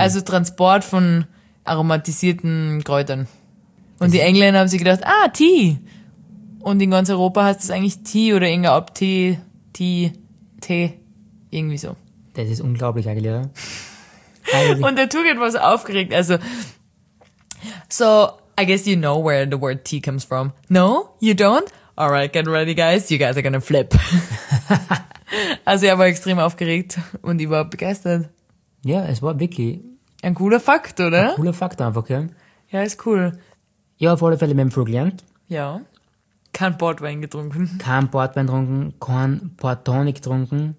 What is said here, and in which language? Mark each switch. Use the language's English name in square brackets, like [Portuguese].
[German] Also Transport von aromatisierten Kräutern. Und die Engländer haben sich gedacht, ah, Tee. Und in ganz Europa heißt es eigentlich Tee oder irgendein Abtee, Tee, Tee, irgendwie so. Das ist unglaublich eigentlich, oder? Und der Tugend war so aufgeregt. [English] Also, so, I guess you know where the word tea comes from. No, you don't? Alright, get ready, guys. You guys are gonna flip. [German] Also, ich war extrem aufgeregt und ich war begeistert. Ja, es war wirklich... ein cooler Fakt, oder? Ein cooler Fakt einfach, gell? Ja, ist cool. Ja, auf alle Fälle mit dem Flug gelernt. Ja. Kein Portwein getrunken. Kein Portwein getrunken, kein Portonic getrunken.